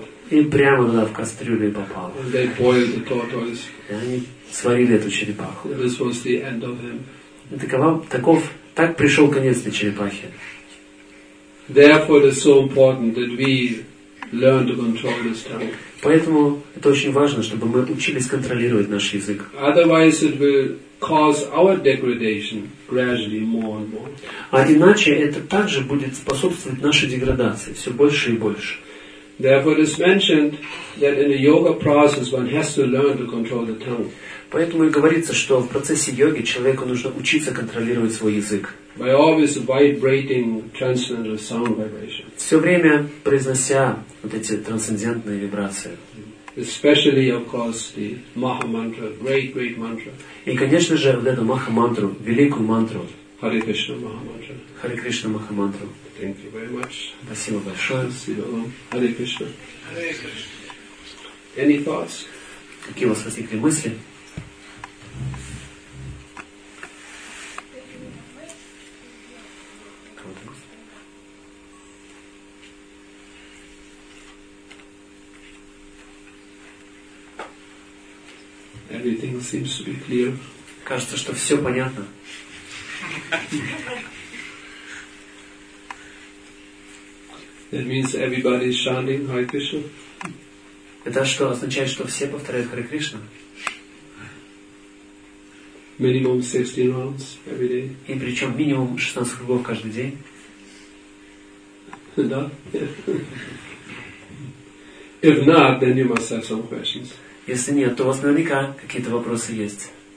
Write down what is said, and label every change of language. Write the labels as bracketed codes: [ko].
[ru] И прямо туда в кастрюлю и попала. [en] And they boiled the tortoise. [ru] И они сварили эту черепаху. [en] And this was the end of him. [ru] И так пришел конец для черепахи. [en] Therefore, it is so important that we learn to control this tongue. [ru] Поэтому это очень важно, чтобы мы учились контролировать наш язык. [en] Otherwise, it will cause our degradation gradually more and more. [ru] А иначе это также будет способствовать нашей деградации все больше и больше. [en] Therefore, it is mentioned that in the yoga process, one has to learn to control the tongue. [ru] Поэтому и говорится, что в процессе йоги человеку нужно учиться контролировать свой язык. [en] By always vibrating transcendental sound vibration. [ru] Все время произнося вот эти трансцендентные вибрации. [en] Especially, of course, the Maha Mantra, great, great mantra. [ru] И, конечно же, вот эту Маха Мантру, великую мантру. [en] Hare Krishna Maha Mantra. [ru] Hare Krishna Maha Mantra. [en] Thank you very much. [ru] Спасибо большое. Спасибо вам. Hare Krishna. [sa] Hare Krishna. [en] Any thoughts? [ru] Какие у вас возникли мысли? [en] Everything seems to be clear. [ru] Кажется, что все понятно. [en] That means everybody is chanting Hare Krishna. [ru] Это что означает, что все повторяют Hare Krishna? [en] Minimum 16 rounds every day. [ru] И причем минимум 16 кругов каждый день. Да. [en] If not, then you must have some questions. [ru] Если нет, то у вас наверняка какие-то вопросы есть.